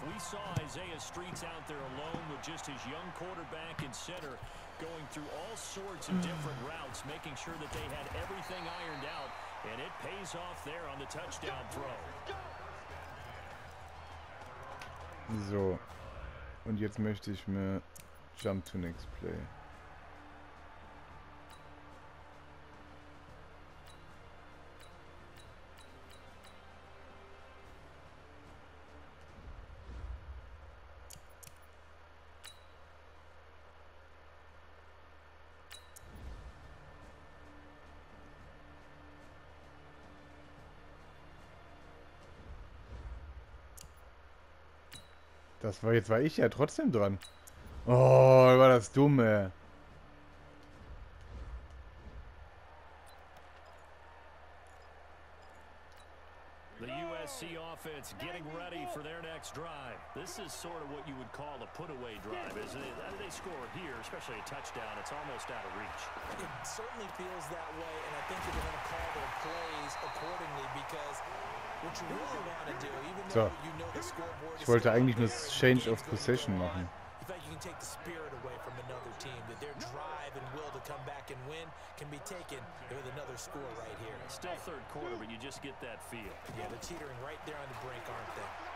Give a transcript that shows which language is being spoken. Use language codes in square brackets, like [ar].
[en] We saw Isaiah Streets out there alone with just his young quarterback and center going through all sorts of different routes, making sure that they had everything ironed out, and it pays off there on the touchdown throw. [de] So, und jetzt möchte ich mir [en] Jump to next play. [de] Das war jetzt, war ich ja trotzdem dran. Oh, war das dumm, ey. [en] The USC offense getting ready for their next drive. This is sort of what you would call a put-away drive, isn't it? And they score here, especially a touchdown. It's almost out of reach. It certainly feels that way, and I think you're going to call their plays accordingly, because... [de] So, ich wollte eigentlich nur [en] Change of Possession [de] machen. [en] can take the spirit away from another team, that their drive and will to come back and win can be taken with another score right here. Still third quarter, but you just get that feel. Yeah, they're teetering right there on the brink, aren't they?